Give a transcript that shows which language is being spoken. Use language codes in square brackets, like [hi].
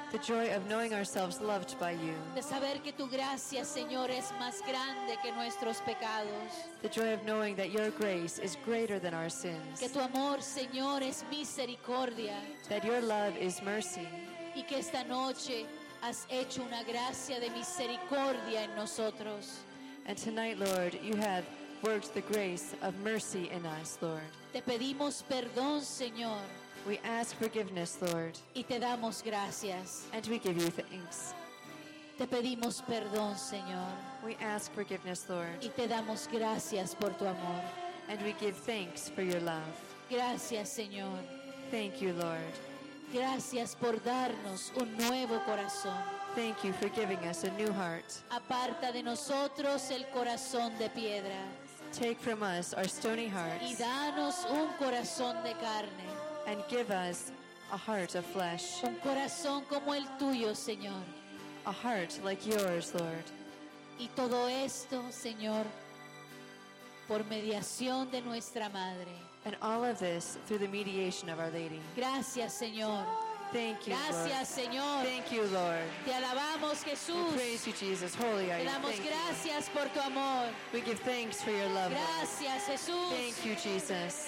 [en] The joy of knowing ourselves loved by you. [es] De saber que tu gracia, Señor, es más grande que nuestros pecados. [en] The joy of knowing that your grace is greater than our sins. [es] Que tu amor, Señor, es misericordia. [en] That your love is mercy. [es] Y que esta noche has hecho una gracia de misericordia en nosotros. [en] And tonight, Lord, you have worked the grace of mercy in us, Lord. [es] Te pedimos perdón, Señor. [en] We ask forgiveness, Lord. [es] Y te damos gracias. [en] And we give you thanks. [es] Te pedimos perdón, Señor. [en] We ask forgiveness, Lord. [es] Y te damos gracias por tu amor. [en] And we give thanks for your love. [es] Gracias, Señor. [en] Thank you, Lord. [es] Gracias por darnos un nuevo corazón. [en] Thank you for giving us a new heart. [es] Aparta de nosotros el corazón de piedra. [en] Take from us our stony hearts. [es] Y danos un corazón de carne. [en] And give us a heart of flesh. [es] Un corazón como el tuyo, Señor. [en] A heart like yours, Lord. [es] Y todo esto, Señor, por mediación de nuestra madre. [en] And all of this through the mediation of Our Lady. [es] Gracias, Señor. [en] Thank you, [es] gracias, [en] Lord. [es] Señor. [en] Thank you, Lord. [es] Te alabamos, Jesús. [en] We praise you, Jesus. Holy are you. [es] Te damos gracias por tu amor. [en] We give thanks for your love. [es] Gracias, Jesús. [en] Thank you, Jesus.